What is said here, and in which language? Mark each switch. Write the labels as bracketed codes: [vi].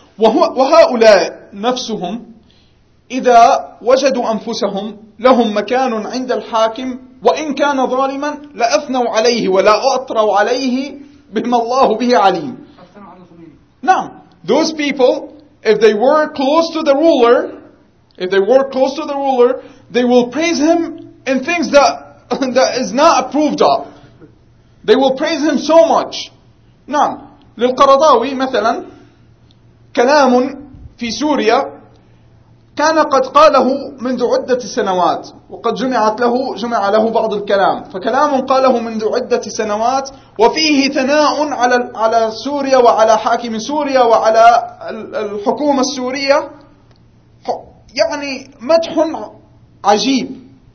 [ar] وهؤلاء نفسهم إذا وجدوا أنفسهم لهم مكان عند الحاكم وإن كان ظالما لأثنوا عليه ولا أطروا عليه بما الله به عليم. نعم. [en] Those people, if they were close to the ruler, if they were close to the ruler, they will praise him in things that is not approved of. They will praise him so much. [ar] نعم. للقرضاوي مثلا كلام في سوريا كان قد قاله منذ عدة سنوات وقد جمع له بعض الكلام. فكلام قاله منذ عدة سنوات وفيه ثناء على سوريا وعلى حاكم سوريا وعلى الحكومة السورية, يعني مدح عجيب.